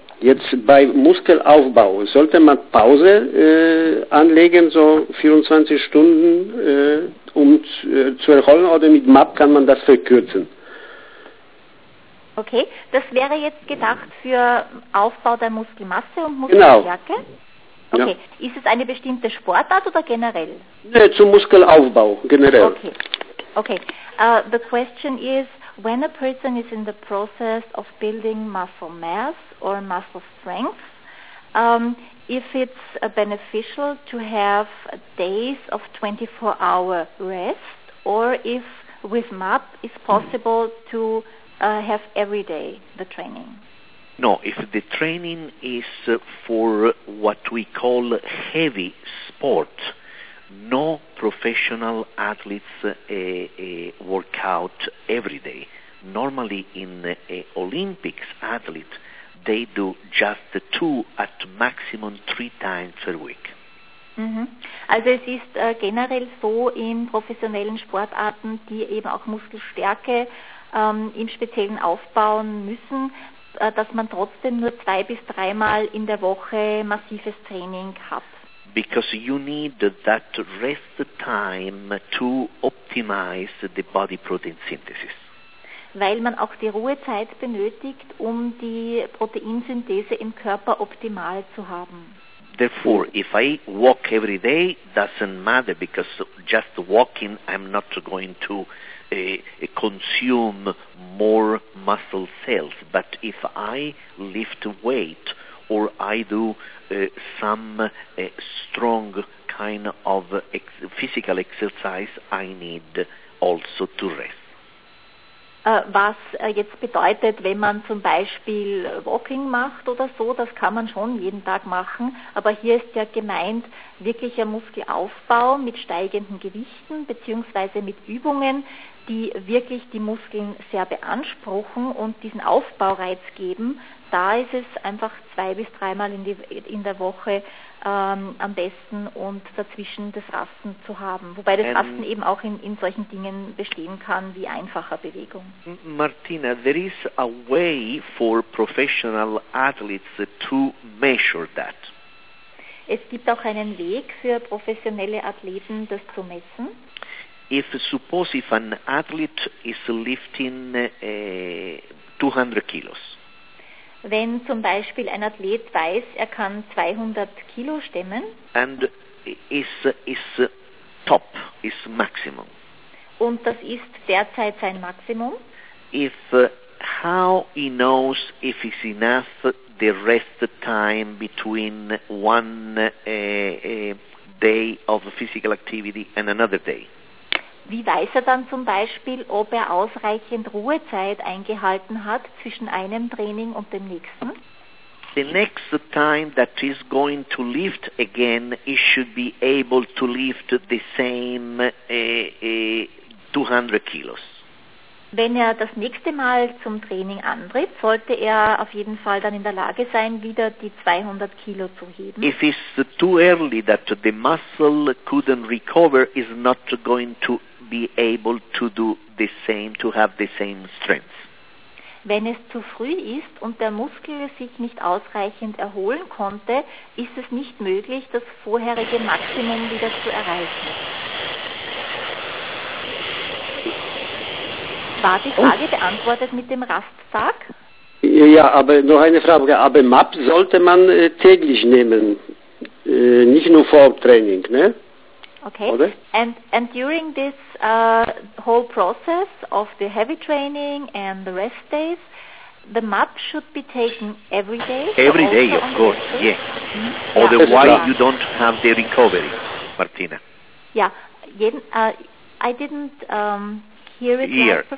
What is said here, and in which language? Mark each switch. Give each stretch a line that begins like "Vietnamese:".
German: Jetzt bei Muskelaufbau, sollte man Pause anlegen, so 24 Stunden, um zu erholen, oder mit MAP kann man das verkürzen? Okay, das wäre jetzt gedacht für Aufbau der Muskelmasse und Muskelstärke? Genau. Okay, ist es eine bestimmte Sportart oder generell? Nein, zum Muskelaufbau, generell. Okay.
English: The question is, when a person is in the process of building muscle mass or muscle strength, if it's beneficial to have days of 24-hour rest or if with MAP it's possible to have every day the training? No, if the training is for what we call heavy sport, no professional athletes work out every day. Normally in Olympics athletes, they do just 2 at maximum 3 times a week. Mhm.
German: Also es ist generell so in professionellen Sportarten, die eben auch Muskelstärke im Speziellen aufbauen müssen, dass man trotzdem nur 2 bis 3 Mal in der Woche massives Training hat.
English: Because you need that rest time to optimize the body protein synthesis.
German: Weil man auch die Ruhezeit benötigt, um die Proteinsynthese im Körper optimal zu haben.
English: Therefore, if I walk every day, doesn't matter, because just walking, I'm not going to consume more muscle cells. But if I lift weight or I do some strong kind of physical exercise, I need also to rest.
German: Was jetzt bedeutet, wenn man zum Beispiel Walking macht oder so, das kann man schon jeden Tag machen, aber hier ist ja gemeint, wirklicher Muskelaufbau mit steigenden Gewichten beziehungsweise mit Übungen, die wirklich die Muskeln sehr beanspruchen und diesen Aufbaureiz geben, da ist es einfach 2 bis 3 Mal in der Woche am besten und dazwischen das Rasten zu haben. Wobei das Rasten eben auch in solchen Dingen bestehen kann, wie einfacher Bewegung.
English: Martina, there is a way for professional athletes to measure that.
German: Es gibt auch einen Weg für professionelle Athleten, das zu messen.
English: If an athlete is lifting 200 kilos.
German: Wenn zum Beispiel ein Athlet weiß, er kann 200 Kilo stemmen.
English: And is top, is maximum.
German: Und das ist derzeit sein Maximum.
English: How he knows if it's enough the rest time between one day of physical activity and another day.
German: Wie weiß er dann zum Beispiel, ob er ausreichend Ruhezeit eingehalten hat zwischen einem Training und dem nächsten?
English: The next time that he's going to lift again, he should be able to lift the same 200 kilos.
German: Wenn er das nächste Mal zum Training antritt, sollte er auf jeden Fall dann in der Lage sein, wieder die 200 Kilo zu heben.
English: If it's too early that the muscle couldn't recover, is not going to be able to do the same, to have the same strength.
German: Wenn es zu früh ist und der Muskel sich nicht ausreichend erholen konnte, ist es nicht möglich, das vorherige Maximum wieder zu erreichen. War die Frage beantwortet mit dem Rasttag? Ja, aber noch eine Frage. Aber MAP sollte man täglich nehmen, nicht nur vor Training, ne? Okay. Oder?
English: And during this whole process of the heavy training and the rest days, the MAP should be taken every day? Every day, of course, yes. Mm-hmm. Otherwise you don't have the recovery, Martina. Yeah. I didn't hear it.